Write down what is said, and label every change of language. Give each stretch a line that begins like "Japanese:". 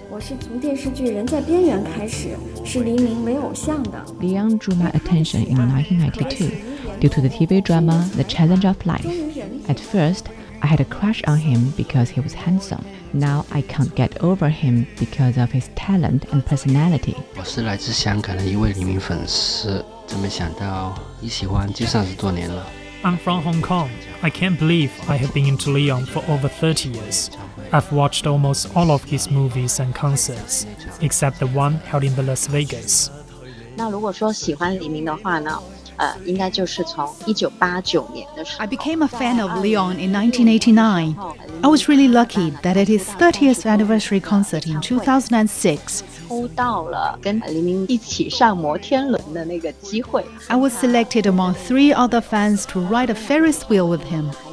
English: Li Yang drew my attention in 1992 due to the TV drama The Challenge of Life. At first, I had a crush on him because he was handsome. Now I can't get over him because of his talent and personality.
Chinese: 我是来自香港的一位黎明粉丝，怎么想到一喜欢就三十多年了。
English: I'm from Hong Kong. I can't believe I have been into Li Yang for over 30 years. I've watched almost all of his movies and concerts, except the one held in the Las Vegas.
Chinese: 那如果说喜欢黎明的话呢，应该就是从1989年的时候。
English: I became a fan of Leon in 1989. I was really lucky that at his 30th anniversary concert in 2006. I was selected among three other fans to ride a Ferris wheel with him.